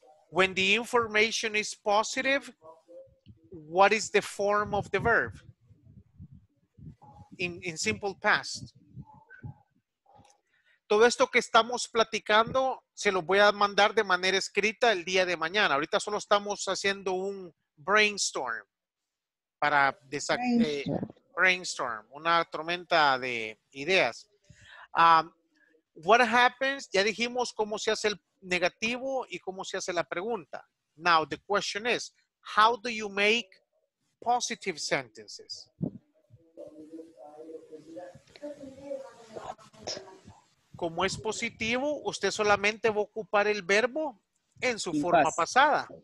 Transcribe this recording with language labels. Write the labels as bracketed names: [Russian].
[English] When the information is positive, what is the form of the verb in simple past? [Spanish] Todo esto que estamos platicando se lo voy a mandar de manera escrita el día de mañana. Ahorita solo estamos haciendo un brainstorm para brainstorm, una tormenta de ideas. [English] What happens? [Spanish] Ya dijimos cómo se hace el negativo y cómo se hace la pregunta. [English] Now the question is, how do you make positive sentences? [Spanish] Como es positivo, usted solamente va a ocupar el verbo en su forma pasada.